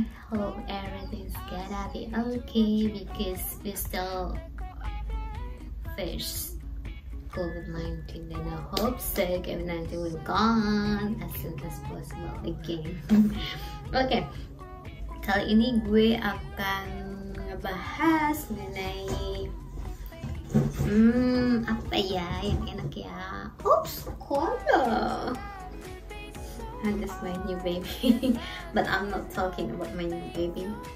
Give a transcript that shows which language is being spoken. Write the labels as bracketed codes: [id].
[en] Hope everything's gonna be okay because we still face COVID-19 and I hope so COVID-19 will gone as soon as possible again. Okay. [id] Kali ini gue akan ngebahas mengenai apa ya yang enak ya. [en] Oops, cola. And this my new baby. But I'm not talking about my new baby.